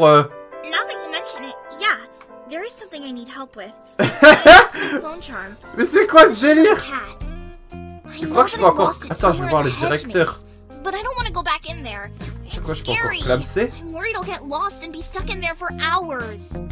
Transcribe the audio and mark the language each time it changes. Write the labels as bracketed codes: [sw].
[en] Now that you mention it, yeah, there is something I need help with. [fr] Mais c'est quoi ce délire? Tu crois que je peux encore... Attends, je vais voir le directeur. [en] But I don't want to go back in there. [fr] Je peux encore clamser. [en] I'm worried I'll get lost and be stuck in there for hours.